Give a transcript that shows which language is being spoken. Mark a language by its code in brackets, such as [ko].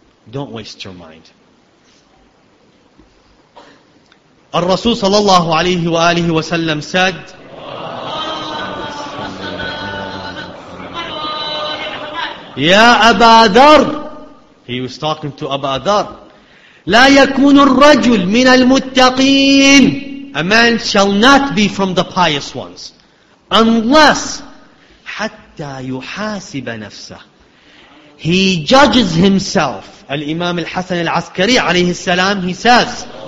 [en] Don't waste your mind. Al-Rasul sallallahu alayhi wa alihi wa sallam said, Ya Aba Dhar, He was talking to Abu Dhar. [ar] لا يكون الرجل من المتقين. [en] A man shall not be from the pious ones, unless [ar] حتى يحاسب نفسه. [en] He judges himself. Al Imam Al Hasan Al Askari عليه السلام, he says.